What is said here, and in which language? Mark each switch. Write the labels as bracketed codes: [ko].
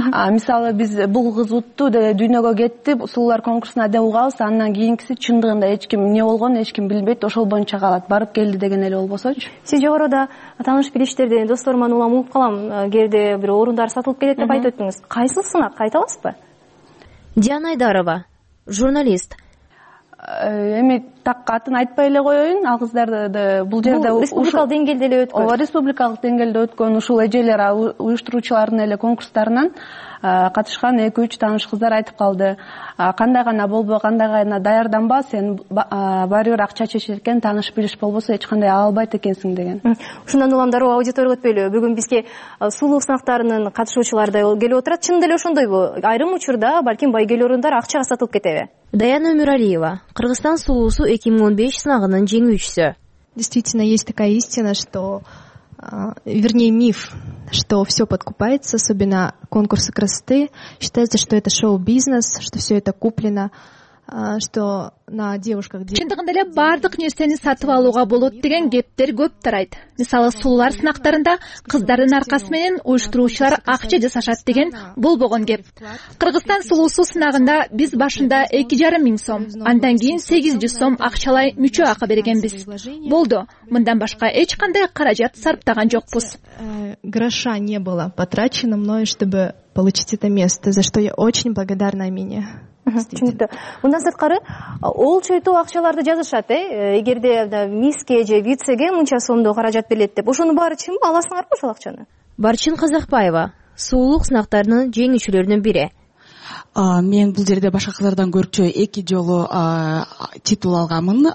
[ky] Мисалы биз бул кыз утту деп дүйнөгө кетти, сулуулар конкурсуна деп угабыз, андан кийинкиси чындыгында эч ким эмне болгонун эч ким билбейт, ошол боюнча калат, барып келди деген эле болбосочу. Сиз жогоруда тааныш билиштерден досторуман улам унутуп калам, кээде бир орундар сатылып кетет деп айтып өттүңүз. Кайсыл сынак айта аласызбы? Диана Айдарова, журналист. Эми так атын айтпай эле коеюн, ал кыздарды бул жерде республикалык деңгээлде эле өткөн. Ооба, республикалык деңгээлде өткөн ушул эжелер уюштуруучулардын эле конкурстарынан катышкан 2-3 тааныш кыздар айтып калды. Кандай гана болбо, кандай гана даярданба, сен баары бир акча чечет экен, тааныш билиш болбосо эч кандай ала албайт экенсиң деген. Ушундан улам дароо аудиторияга өтпөйлү. Бүгүн бизге сулуулук сынактарынын катышуучулары да келип отурат. Чынында эле ошондойбу? Айрым учурда балким байкел орундар акчага сатылып кетеби? Даяна Өмүралиева, Кыргызстан сулуусу 2015 сынагынын жеңүүчүсү. [ru] Действительно есть такая истина, что вернее миф, что все подкупается, особенно конкурсы красоты. Считается, что это шоу-бизнес, что все это куплено, что на девушках... [ky] Чындыгында эле бардык нерсени сатып алууга болот деген кептер көп тарайт. Мисалы, сулуулар сынактарында кыздардын аркасы менен уюштуруучулар акча жасашат деген болбогон кеп. Кыргызстан сулуусу сынагында биз башында 2,5 000 сом, андан кийин 800 сом акчалай мүчө акы бергенбиз. Болду, мындан башка эч кандай каражат сарптаган жокпуз. [ru] Гроша не было потрачено мною, чтобы получить это место, за что я очень благодарна Амине. [ky] Түшүнүктүү. Мындан сырткары олчойтуу акчаларды жазышат, эгерде мисске же вицеге мынча сомдо каражат берилет деп. Ошонун баары чынбы? Аласыңарбы ошол акчаны? Барчын Казакбаева, сулуулук сынактарынын жеңүүчүлөрүнүн бири. Мен бул жерде башка кыздардан көрчө 2 жолу титул алганмын.